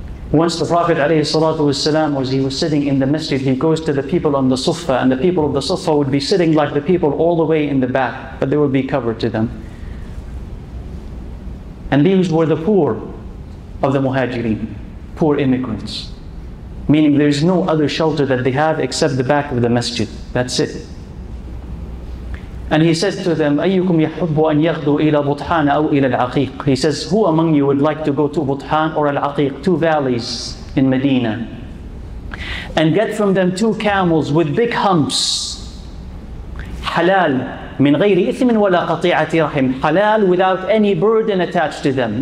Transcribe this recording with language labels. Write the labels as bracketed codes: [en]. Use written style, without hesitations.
[en] Once the Prophet alayhi salatu wasalam, as he was sitting in the masjid, he goes to the people on the Suffa, and the people of the Suffa would be sitting like the people all the way in the back, but they would be covered to them. And these were the poor of the Muhajirin, poor immigrants. Meaning there's no other shelter that they have except the back of the masjid. That's it. And he says to them, [ar] أَيُّكُمْ يَحُبُّ أَنْ يَغْدُوا إِلَى بُطْحَانَ أَوْ إِلَى الْعَقِيقِ. [en] He says, who among you would like to go to Butan or Al-Aqiq, two valleys in Medina, and get from them two camels with big humps, halal, [ar] مِنْ غَيْرِ إِثْمٍ وَلَا قَطِيعَةِ رَحِمٍ, [en] halal, without any burden attached to them.